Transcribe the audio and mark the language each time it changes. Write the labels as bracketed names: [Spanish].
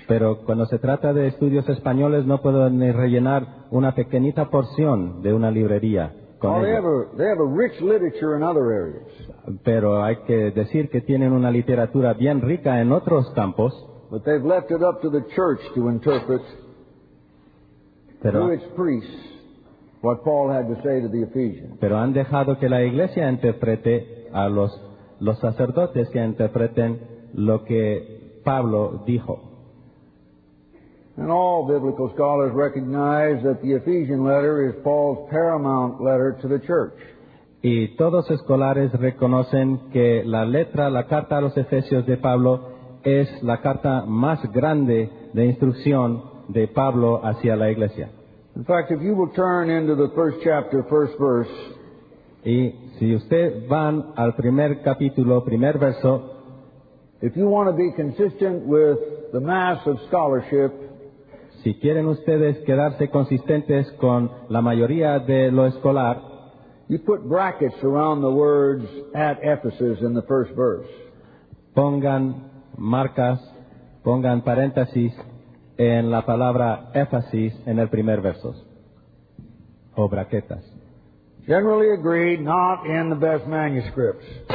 [Spanish] Pero cuando se trata de estudios españoles, no puedo ni rellenar una pequeñita porción de una librería con ellos. [English] They have a rich literature in other areas. [Spanish] Pero hay que decir que tienen una literatura bien rica en otros campos. [English] But they've left it up to the church to interpret through its priests what Paul had to say to the Ephesians. [Spanish] Pero han dejado que la iglesia interprete a los sacerdotes que interpreten lo que Pablo dijo. [English] And all biblical scholars recognize that the Ephesian letter is Paul's paramount letter to the church. [Spanish] Y todos escolares reconocen que la letra, la carta a los Efesios de Pablo, es la carta más grande de instrucción de Pablo hacia la iglesia. [English] In fact, if you will turn into the first chapter, first verse. [Spanish] Y si usted van al primer capítulo, primer verso. [English] If you want to be consistent with the mass of scholarship, [Spanish] si quieren ustedes quedarse consistentes con la mayoría de lo escolar, [English] you put brackets around the words at Ephesus in the first verse. [Spanish] Pongan marcas, pongan paréntesis en la palabra Éfasis en el primer verso. O braquetas. [English] Generally agreed, not in the best manuscripts.